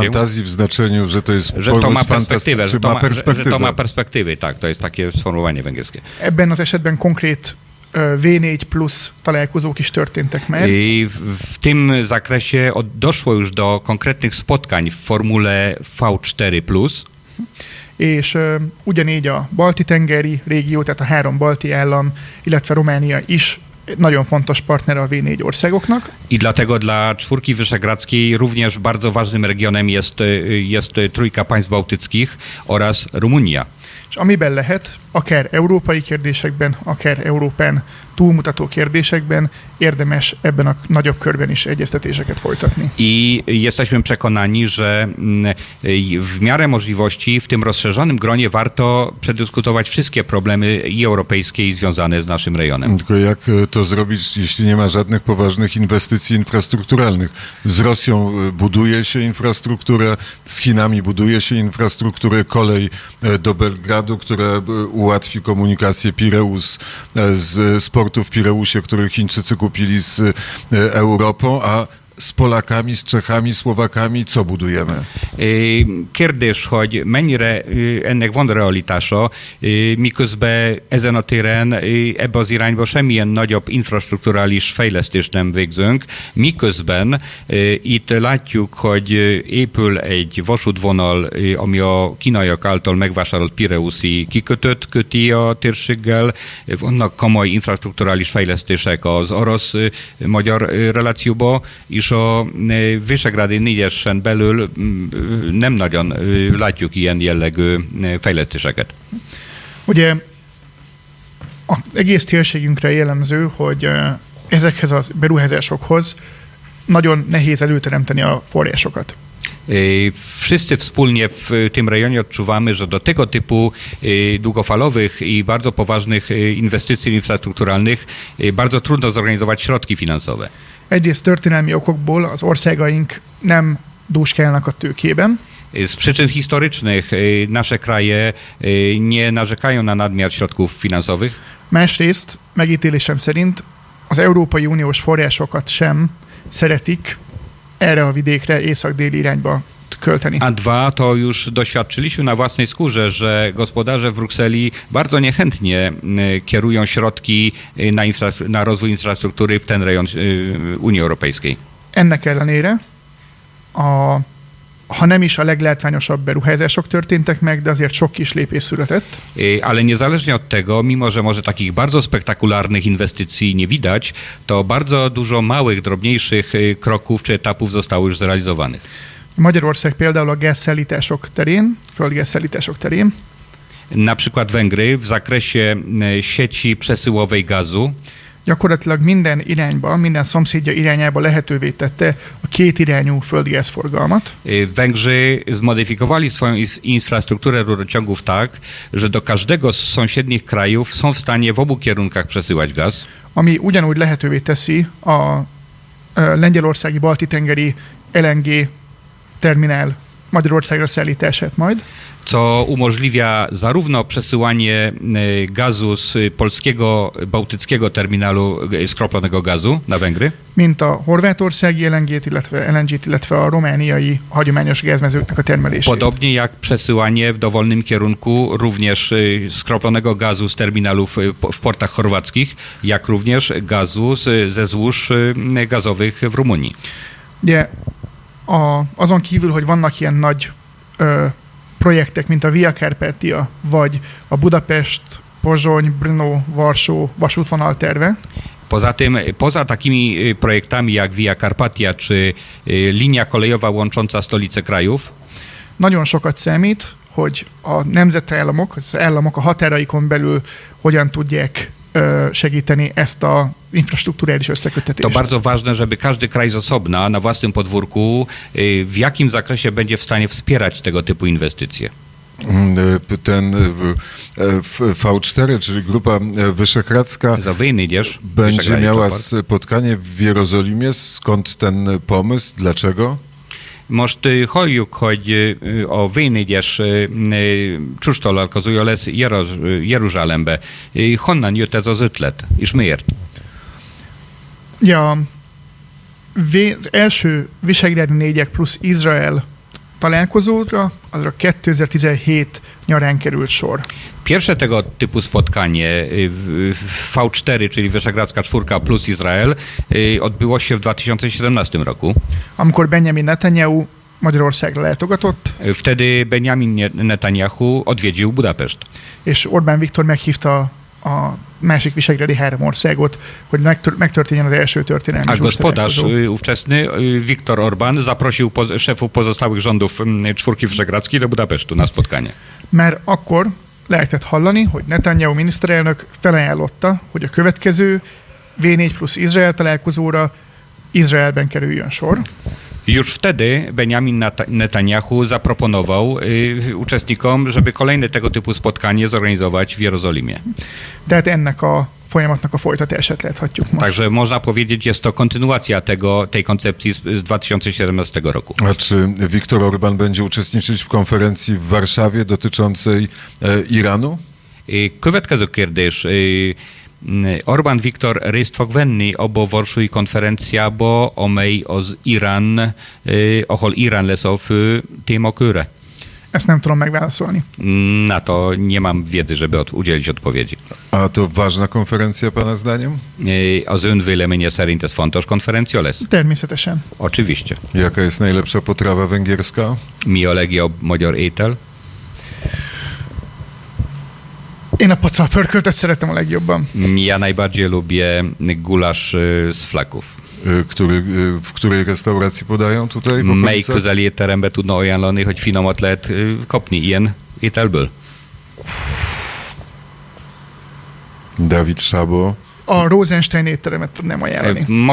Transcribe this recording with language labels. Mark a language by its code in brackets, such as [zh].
[pl] Ale fantazji w znaczeniu, że to jest perspektywę. Że to ma perspektywy, tak, to jest takie sformułowanie węgierskie. [hu] Ebben az esetben konkrét V4 plus találkozók is történtek meg. [pl] W tym zakresie doszło już do konkretnych spotkań w formule V4 plus. [hu] És ugyanígy a Balti-tengeri régió, tehát a három balti állam, illetve Románia is nagyon fontos partner a V4 országoknak. [pl] I dlatego dla Czwórki Wyszehradzkiej również bardzo ważnym regionem jest Trójka Państw Bałtyckich oraz Rumunia. [hu] És amiben lehet, akár európai kérdésekben, akár Európán túlmutató kérdésekben érdemes ebben a nagyobb körben is egyeztetéseket folytatni. [pl] I jesteśmy przekonani, że w miarę możliwości w tym rozszerzonym gronie warto przedyskutować wszystkie problemy i europejskie, i związane z naszym rejonem. Tylko jak to zrobić, jeśli nie ma żadnych poważnych inwestycji infrastrukturalnych? Z Rosją buduje się infrastrukturę, z Chinami buduje się infrastrukturę, kolej do Belgradu, która ułatwi komunikację Pireus z portu w Pireusie, który Chińczycy kupili z Europą, a z Polakami, z Czechami, Słowakami, co budujemy? [hu] Kérdés, hogy mennyire ennek van realitása, miközben ezen a téren ebbe az irányba semmilyen nagyobb infrastrukturális fejlesztést nem végzünk, miközben itt látjuk, hogy épül egy vasútvonal, ami a kínaiak által megvásárolt Pireuszi kikötőt köti a térséggel, vannak komoly infrastrukturális fejlesztések az orosz-magyar relációba, és a Visegrádi 4-esen belül nem nagyon látjuk ilyen jellegű fejlesztéseket. Ugye az egész térségünkre jellemző, hogy ezekhez a beruházásokhoz nagyon nehéz előteremteni a forrásokat. [pl] Wszyscy wspólnie w tym rejonie odczuwamy, że do tego typu długofalowych i bardzo poważnych inwestycji infrastrukturalnych bardzo trudno zorganizować środki finansowe. [hu] Egyrészt történelmi okokból az országaink nem dúskálnak a tőkében. [pl] Z przyczyn historycznych nasze kraje nie narzekają na nadmiar środków finansowych. [hu] Másrészt, megítélésem szerint, az Európai Uniós forrásokat sem szeretik erre a vidékre, észak-déli irányba költeni. [pl] A dwa, to już doświadczyliśmy na własnej skórze, że gospodarze w Brukseli bardzo niechętnie kierują środki na rozwój infrastruktury w ten rejon Unii Europejskiej. [hu] Ennek ellenére, ha nem is a leglátványosabb beruházások történtek meg, de azért sok kis lépés született. [pl] Ale niezależnie od tego, mimo że może takich bardzo spektakularnych inwestycji nie widać, to bardzo dużo małych, drobniejszych kroków czy etapów zostało już zrealizowanych. [hu] Magyarország például a gázszállítások terén, földgázszállítások terén. [pl] Na przykład Węgry w zakresie sieci przesyłowej gazu. [hu] Gyakorlatilag minden irányba, minden szomszédja irányába lehetővé tette a két irányú földgázforgalmat. [pl] Węgrzy zmodyfikowali swoją infrastrukturę rurociągów tak, że do każdego z sąsiednich krajów są w stanie w obu kierunkach przesyłać gaz. [hu] Ami ugyanúgy lehetővé teszi a lengyelországi balti-tengeri LNG terminál Magyarországra szállítását majd. [pl] Co umożliwia zarówno przesyłanie gazu z polskiego, bałtyckiego terminalu skroplonego gazu na Węgry? [hu] Mint a horvátországi LNG-t, illetve LNG-t, illetve a romániai hagyományos gázmezőknek a termelését. [pl] Podobnie jak przesyłanie w dowolnym kierunku również skroplonego gazu z terminalów w portach chorwackich, jak również gazu ze złóż gazowych w Rumunii. Nie. [hu] Azon kívül, hogy vannak ilyen nagy projektek, mint a Via Carpatia, vagy a Budapest, Pozsony, Brno, Varsó vasútvonal terve. [pl] Poza takimi projektami, jak Via Carpatia, czy linia kolejowa łącząca stolice krajów. [hu] Nagyon sokat számít, hogy a nemzetállamok, az államok a határaikon belül hogyan tudják segíteni ezt a infrastruktúrális összekötetést. [pl] To bardzo ważne, żeby każdy kraj z osobna, na własnym podwórku, w jakim zakresie będzie w stanie wspierać tego typu inwestycje. Ten V4, czyli Grupa Wyszehradzka, będzie miała spotkanie w Jerozolimie. Skąd ten pomysł? Dlaczego? [hu] Most halljuk, hogy a V4-es csúcstalálkozója lesz Jeruzsálembe. Honnan jött ez az ötlet, és miért? Ja, az első Visegrádi 4-ek plusz Izrael találkozóra, azra 2017 nyarán került sor. [pl] Pierwsze tego typu spotkanie V4, czyli Wyszehradzka 4 plus Izrael, odbyło się w 2017 roku. [hu] Amikor Benjamin Netanyahu Magyarország látogatott. [pl] Wtedy Benjamin Netanyahu odwiedził Budapest. [hu] És Orbán Viktor meghívta a másik visegrádi három országot, hogy megtörténjen az első történelmi csúcs. [pl] A gospodarz ówczesny Viktor Orbán zaprosił szefów pozostałych rządów czwórki wyszehradzkiej do Budapestu na spotkanie. [hu] Mert akkor lehetett hallani, hogy Netanyahu miniszterelnök felajánlotta, hogy a következő V4 plusz Izrael találkozóra Izraelben kerüljön sor. [pl] Już wtedy Benjamin Netanyahu zaproponował uczestnikom, żeby kolejne tego typu spotkanie zorganizować w Jerozolimie. [hu] Tehát ennek a folyamatnak a folytatását láthatjuk most. [pl] Także można powiedzieć, jest to kontynuacja tej koncepcji z 2017 roku. A czy Viktor Orbán będzie uczestniczyć w konferencji w Warszawie dotyczącej Iranu? [hu] Következő kérdés. Orbán Viktor részt fog venni abba a varsói konferenciába, amely az Irán, ahol Irán lesz a fő témakörre? Ezt nem tudom megválaszolni. [pl] Na to nie mam wiedzy, żeby udzielić odpowiedzi. A to ważna konferencja pana zdaniem? [hu] Az ön véleménye szerint ez fontos konferencia lesz? Természetesen. [pl] Oczywiście. Jaka jest najlepsza potrawa węgierska? [hu] Mi a legjobb magyar étel? Én a pacalpörköltet szeretem a legjobban. [pl] Ja najbardziej lubię gulasz z flaków. W której restauracji podają tutaj? [hu] Melyik közeli étterembe tudna ajánlani, hogy finomat lehet kapni ilyen ételből? [pl] Dawid Szabo. [hu] A Rosenstein étteremet tudnám ajánlani.